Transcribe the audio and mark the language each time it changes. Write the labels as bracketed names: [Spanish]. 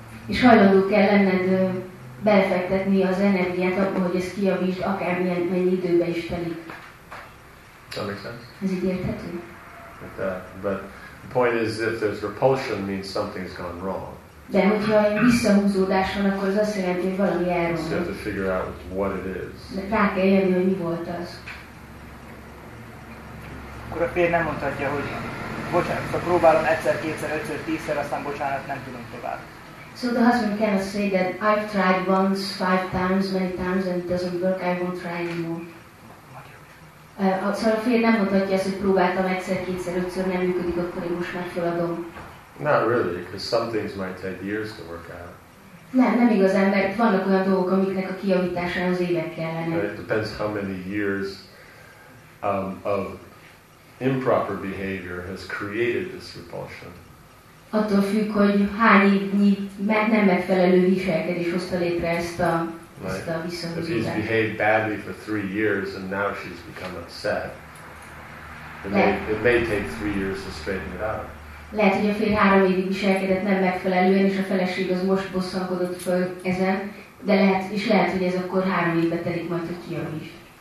[Hungarian] És hajlandó kell lenned belefektetni az energiát abban, hogy ezt kijavítsd, akármilyen mennyi időbe is telik. [English] That makes sense? [Hungarian] Ez így érthető? [English] But the point is, if there's repulsion, means something's gone wrong. [Hungarian] De hogyha visszahúzódás van, akkor az azt jelenti, hogy valami elromlott. [English] You have to figure out what it is. [Hungarian] De rá kell jönni, hogy mi volt az. Akkor a férj nem mondhatja, hogy bocsánat, szóval próbálom egyszer, kétszer, ötször, tízszer, aztán bocsánat, nem tudom tovább. [English] So the husband cannot say that I've tried once, five times, many times, and it doesn't work, I won't try anymore. [Hungarian] Szóval a férj nem mondhatja azt, hogy próbáltam egyszer, kétszer, ötször, nem működik, akkor én most már feladom. [English] Not really, because some things might take years to work out. [Hungarian] Nem igazán, mert vannak olyan dolgok, amiknek a kijavításához évek kellene. [English] It depends how many years of improper behavior has created this repulsion. [Hungarian] Attól függ, hogy hány évnyi nem megfelelő viselkedés hozta létre ezt a viszonyítást. [English] If he's behaved badly for 3 years and now she's become upset, it may take 3 years to straighten it out. [Hungarian] Lehet, hogy a férj 3 évig viselkedett nem megfelelően, és a feleség az most bosszankodott föl ezen, de lehet, hogy ez akkor 3 évbe telik majd, hogy kijavít.